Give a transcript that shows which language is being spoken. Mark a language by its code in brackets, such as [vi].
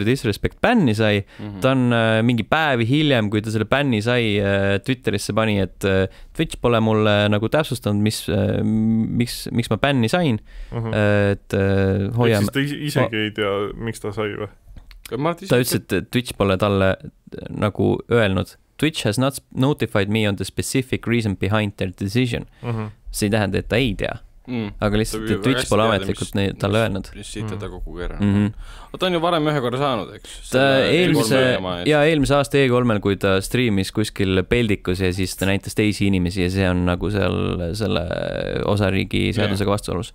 [et] Disrespect bänni sai. Mm-hmm. Ta on mingi päevi hiljem, kui ta selle bänni sai, Twitterisse pani, et Twitch pole mulle nagu täpsustanud, miks ma bänni sain. Mm-hmm. Et, hoia, siis ta isegi ei tea, miks ta sai või? Ta ütles, et Twitch pole talle nagu öelnud. [en] Twitch has not notified me on the specific reason behind their decision. Mm-hmm. [et] See ei tähenda, et ta ei tea. Mm. Aga lihtsalt Twitch pole ametlikult talle öelnud. Mis siit teda kogu kerran. Mm-hmm. Ta on ju varem ühe korra saanud, eks? Ta eelmise aasta E3-el, kui ta striimis kuskil peldikus ja siis ta näitas teisi inimesi ja see on nagu seal selle osariigi seadusega vastuolus.